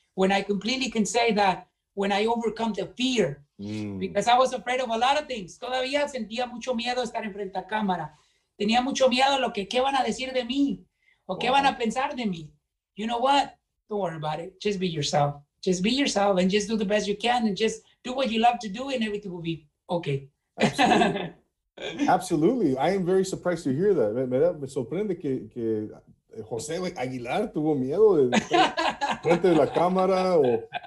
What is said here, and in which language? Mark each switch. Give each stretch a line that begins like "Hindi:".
English: When I completely can say that, when I overcome the fear. Because I was afraid of a lot of things.
Spanish: Todavía sentía mucho miedo estar enfrente a cámara. Tenía mucho miedo a lo que, ¿qué van a decir de mí? ¿O qué van a pensar de mí?
English: You know what? Don't worry about it. Just be yourself. Just be yourself and just do the best you can and just do what you love to do and everything will be okay. Absolutely. Absolutely. I am very surprised to hear that.
Spanish: Me sorprende que José Aguilar tuvo miedo de frente de la cámara o...